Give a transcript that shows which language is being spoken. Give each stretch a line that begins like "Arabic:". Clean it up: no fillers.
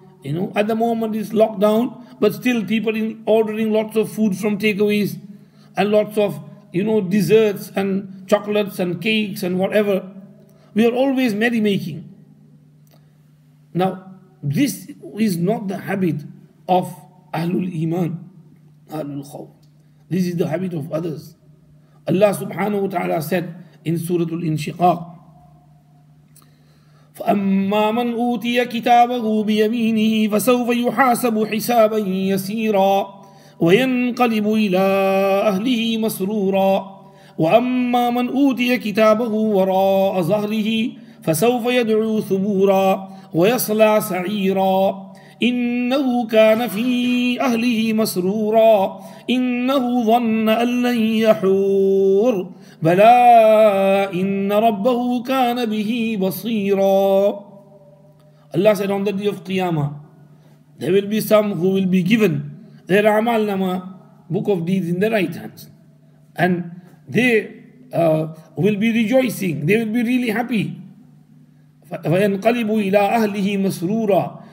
English: You know, at the moment it's lockdown, but still people are ordering lots of food from takeaways and lots of, you know, desserts and chocolates and cakes and whatever. We are always merrymaking. Now, this is not the habit of Ahlul Iman, Ahlul Khawf. This is the habit of others. Allah subhanahu wa ta'ala said in Surah Al-Inshiqaq,
Arabic: فَأَمَّا مَنْ أُوْتِيَ كِتَابَهُ بِيَمِينِهِ فَسَوْفَ يُحَاسَبُ حِسَابًا يَسِيرًا وَيَنْقَلِبُ إِلَىٰ أَهْلِهِ مَسْرُورًا وَأَمَّا مَنْ أُوْتِيَ كِتَابَهُ وَرَاءَ ظَهْرِهِ فَسَوْفَ يَدْعُو ثُبُورًا وَيَصْلَى سَعِيرًا إنه كان في أهله مسرورا إنه ظن أن لن يحور بلى إن ربه كان به بصيرا.
English: Allah said, on the day of Qiyamah, there will be some who will be given their Amal Nama, book of deeds, in their right hands. And they will be rejoicing. They will be really happy.
Arabic: فَيَنْقَلِبُ إِلَىٰ أَهْلِهِ مَسْرُورًا.